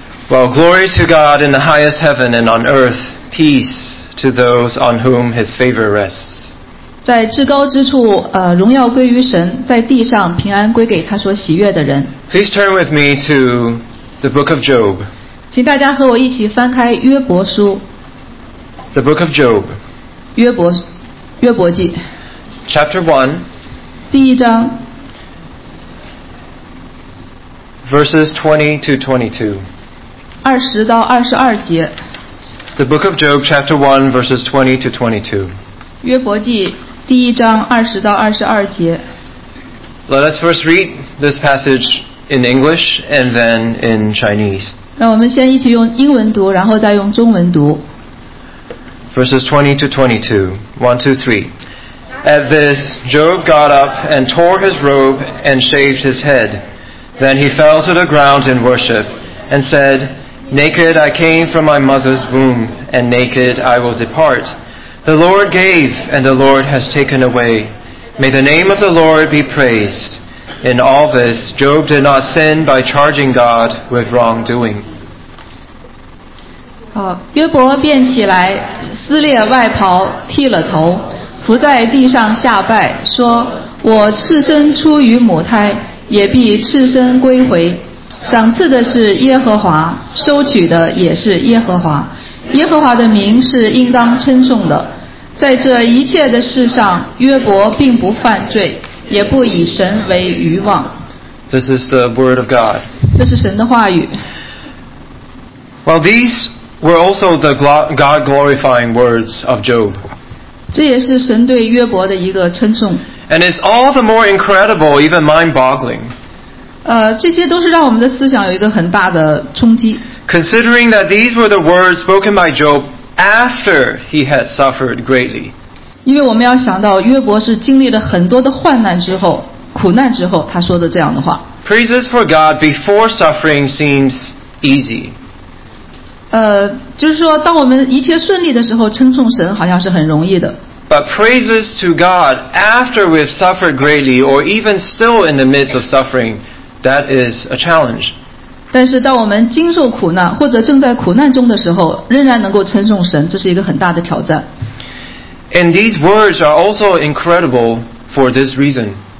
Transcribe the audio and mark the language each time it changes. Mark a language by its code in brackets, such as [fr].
[en] Well, glory to God in the highest heaven and on earth, peace to those on whom His favor rests. [zh] 在至高之处，荣耀归于神，在地上平安归给他所喜悦的人。 [en] Please turn with me to the book of Job. [zh] 请大家和我一起翻开约伯书。 [en] The book of Job. [zh] 约伯记。 [en] Chapter 1. [zh] 第一章。 [en] Verses 20 to 22. [zh] 20-22节。 [en] The book of Job, chapter 1, verses 20-22. [zh] 约伯记第一章20-22节。 [en] Let us first read this passage in English and then in Chinese. [zh] 让我们先一起用英文读，然后再用中文读。 [en] Verses 20-22. 1, 2, 3. At this, Job got up and tore his robe and shaved his head. Then he fell to the ground in worship and said, Naked I came from my mother's womb, and naked I will depart. The Lord gave, and the Lord has taken away. May the name of the Lord be praised. In all this, Job did not sin by charging God with wrongdoing. [zh] 约伯便起来，撕裂外袍，剃了头，伏在地上下拜，说，我赤身出于母胎，也必赤身归回。赏赐的是耶和华，收取的也是耶和华。耶和华的名是应当称颂的。在这一切的事上，约伯并不犯罪，也不以神为愚妄。 [en] This is the word of God. [zh] 这是神的话语。 [en] Well, these were also the God-glorifying words of Job. [zh] 这也是神对约伯的一个称颂。 [en] And it's all the more incredible, even mind-boggling. [zh] 这些都是让我们的思想有一个很大的冲击。 [en] Considering that these were the words spoken by Job after he had suffered greatly. [zh] 因为我们要想到约伯是经历了很多的患难之后，苦难之后，他说的这样的话。 [en] Praises for God before suffering seems easy. [zh] 就是说当我们一切顺利的时候，称颂神好像是很容易的。 [en] But praises to God after we've suffered greatly or even still in the midst of suffering, that is a challenge. [zh] 但是当我们经受苦难或者正在苦难中的时候仍然能够称颂神这是一个很大的挑战。 [en] And these words are also incredible for this reason.